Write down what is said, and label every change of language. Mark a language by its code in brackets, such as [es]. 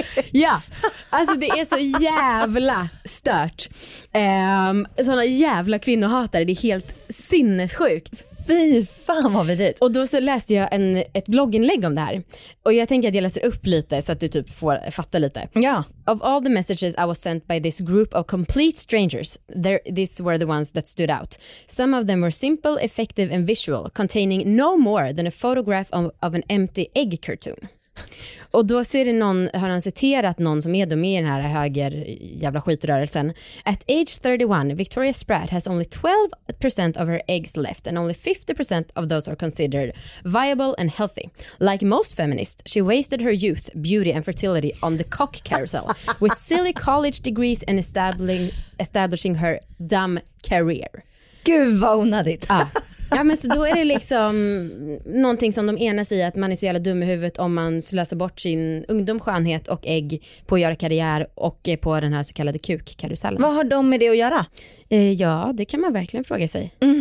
[sv] Ja, alltså det är så jävla stört. Sådana jävla kvinnohatare, det är helt sinnessjukt. Fy fan vad vidrigt. Och då så läste jag ett blogginlägg om det här. Och jag tänker att jag läser upp lite så att du typ får fatta lite. Ja. [en] Of all the messages I was sent by this group of complete strangers, these were the ones that stood out. Some of them were simple, effective and visual, containing no more than a photograph of an empty egg cartoon. [sv] Och då så är det någon, har han citerat någon som är då med i den här höger jävla skitrörelsen. [en] At age 31, Victoria Spratt has only 12% of her eggs left and only 50% of those are considered viable and healthy. Like most feminists, she wasted her youth, beauty and fertility on the cock carousel with silly college degrees and establishing her dumb career. [sv] Gud vad onödigt. Ja. Ja, men så då är det liksom någonting som de enas i, att man är så jävla dum i huvudet om man slösar bort sin ungdomsskönhet och ägg på att göra karriär och på den här så kallade kukkarusellen. Vad har de med det att göra? Ja, det kan man verkligen fråga sig.